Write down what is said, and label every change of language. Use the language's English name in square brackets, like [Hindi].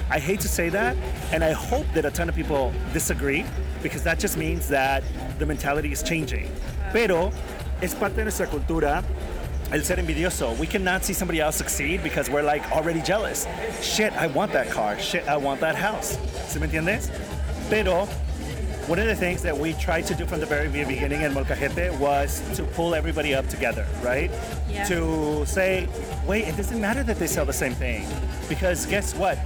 [English] I hate to say that, and I hope that a ton of people disagree, because that just means that the mentality is changing. [Spanish] Pero es parte de nuestra cultura el ser envidioso. [English] We cannot see somebody else succeed because we're like already jealous. Shit, I want that car. Shit, I want that house. [Spanish] ¿Sí me entiendes? Pero [English] one of the things that we tried to do from the very beginning in Molcajete was to pull everybody up together, right? Yeah. To say, wait, it doesn't matter that they sell the same thing. Because guess what?